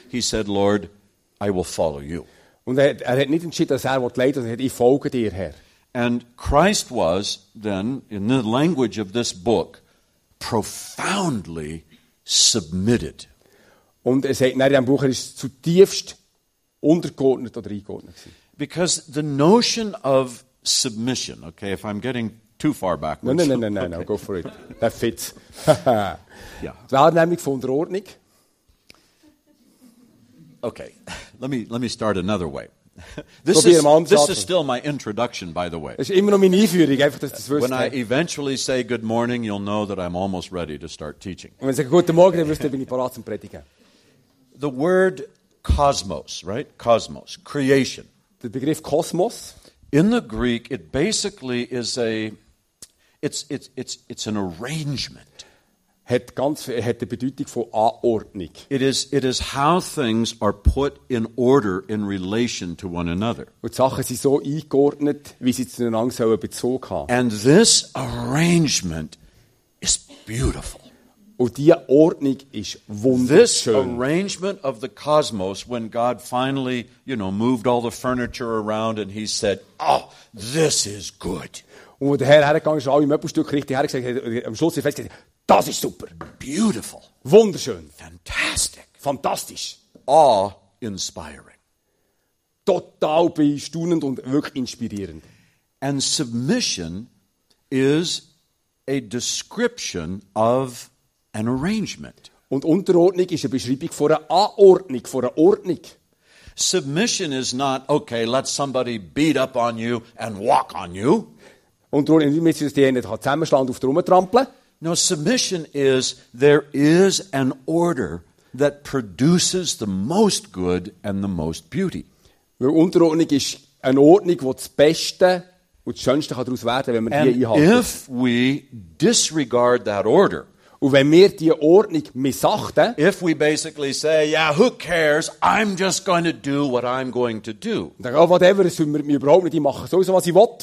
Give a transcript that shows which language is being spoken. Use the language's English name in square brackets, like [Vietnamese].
[English] He said, Lord, I will follow you. [German] Und er hat nicht entschieden, dass er will leiten, sondern ich folge dir, Herr. [English] And Christ was then, in the language of this book, profoundly submitted. [German] Und er sagt, nein, im Buch, er ist zutiefst untergeordnet oder eingeordnet gewesen. [English] Because the notion of submission, okay, if I'm getting too far backwards. No, go for it. That fits. Yeah. [German] Wahrnehmung von Unterordnung. [English] Okay, let me start another way. This is still my introduction, by the way. [German] Es ist immer noch meine Einführung, einfach, dass das wirst. [English] When I eventually say good morning, you'll know that I'm almost ready to start teaching. [German] Wenn ich sage guten Morgen, dann wirst du, bin ich bereit zum Predigen. [English] The word cosmos, right? Cosmos, creation. [German] Der Begriff Kosmos. [English] In the Greek, it basically is it's an arrangement. [German] Hat die Bedeutung von Anordnung. [English] It is how things are put in order in relation to one another. [German] Und Sachen sind so eingeordnet, wie sie zueinander sollen bezogen haben. [English] And this arrangement is beautiful. [German] Und diese Ordnung ist wunderschön. [English] This arrangement of the cosmos, when God finally, you know, moved all the furniture around and he said, oh, this is good. [German] Und wo der Herr hergegangen ist, alle Möbelstücke richtig hergesagt, am Schluss ist festgestellt, das ist super. [English] Beautiful. [German] Wunderschön. [English] Fantastic. [German] Fantastisch. [English] Awe-inspiring. [German] Total beeindruckend und wirklich inspirierend. [English] And submission is a description of an arrangement. [German] Und Unterordnung ist eine Beschreibung von einer Anordnung, von einer Ordnung. [English] Submission is not, okay, let somebody beat up on you and walk on you. [German] Unterordnung ist nicht, dass die einen zusammenschlagen und auf dich rumtrampeln. [English] No, submission is, there is an order that produces the most good and the most beauty. [German] Weil Unterordnung ist eine Ordnung, die das Beste und das Schönste daraus werden kann, wenn wir die einhalten. [English] And if we disregard that order, [German] und wenn wir die Ordnung missachten, [English] if we basically say, yeah, who cares, I'm just going to do what I'm going to do. [German] Dann, [English] oh, whatever, [German] das tun wir überhaupt nicht, ich mache sowieso, was ich will.